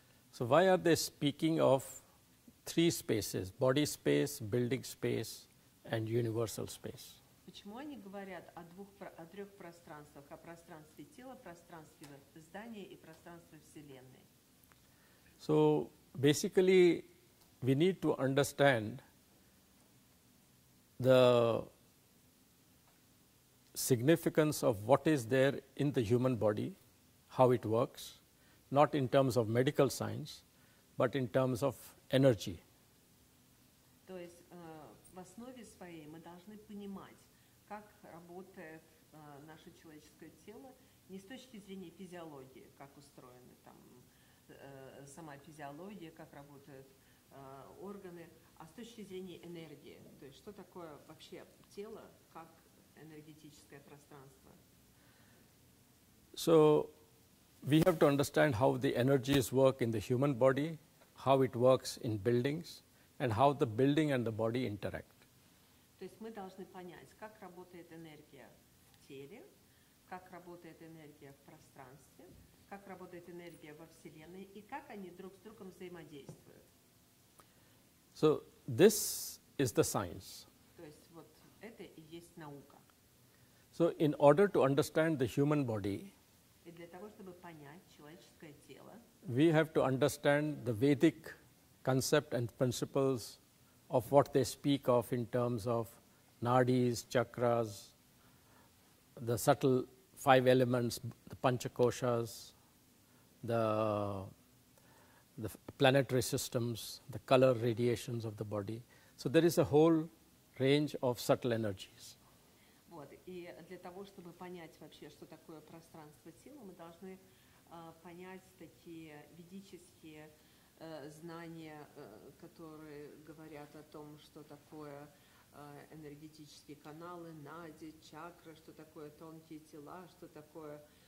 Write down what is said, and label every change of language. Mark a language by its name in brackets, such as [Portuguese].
[English] So why are they speaking of three spaces: body space, building space, and universal space? [Russian] Почему они говорят о двух, о трех пространствах: о пространстве тела, пространстве здания и пространстве вселенной? [English] So basically, we need to understand the significance of what is there in the human body, how it works, not in terms of medical science, but in terms of energy. [Russian] То есть в основе своей мы должны понимать, как работает наше человеческое тело, не с точки зрения физиологии, как устроена там сама физиология, как работают органы, а с точки зрения энергии, то есть что такое вообще тело как энергетическое пространство. [English] So we have to understand how the energies work in the human body, how it works in buildings, and how the building and the body interact. [Russian] То есть мы должны понять, как работает энергия в теле, как работает энергия в пространстве, как работает энергия во Вселенной, и как они друг с другом взаимодействуют. [English] So this is the science. [Russian] То есть вот это и есть наука. [English] So in order to understand the human body, [Russian] и для того, чтобы понять человеческое тело, [English] we have to understand the Vedic concept and principles of what they speak of in terms of nadis, chakras, the subtle five elements, the panchakoshas, the the planetary systems, the color radiations of the body. So there is a whole range of subtle energies. [Russian] Вот, и для того, чтобы понять вообще, что такое пространство тела, мы должны понять такие ведические знания, которые говорят о том, что такое энергетические каналы, нади, чакры, что такое тонкие тела, что такое